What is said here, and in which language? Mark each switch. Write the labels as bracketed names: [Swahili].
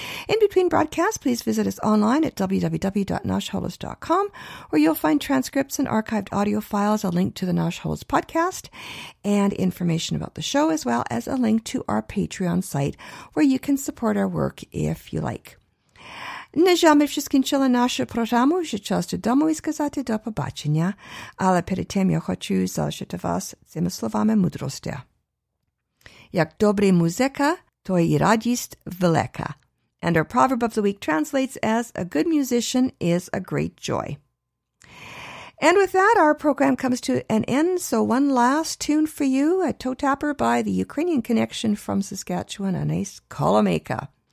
[English] In between broadcasts, please visit us online at www.nashholos.com, where you'll find transcripts and archived audio files, a link to the Nash Holos podcast, and information about the show, as well as a link to our Patreon site, where you can support our work if you like. [Ukrainian] Не жаль, що скінчила нашу програму, вже час додому і сказати до побачення. Але перед тим я хочу залишити вас цими словами мудрості. Як добрий музика, то і радість велика. [English] And our proverb of the week translates as, a good musician is a great joy. And with that, our program comes to an end. So one last tune for you, a toe tapper by the Ukrainian Connection from Saskatchewan, Anais Kolomeka.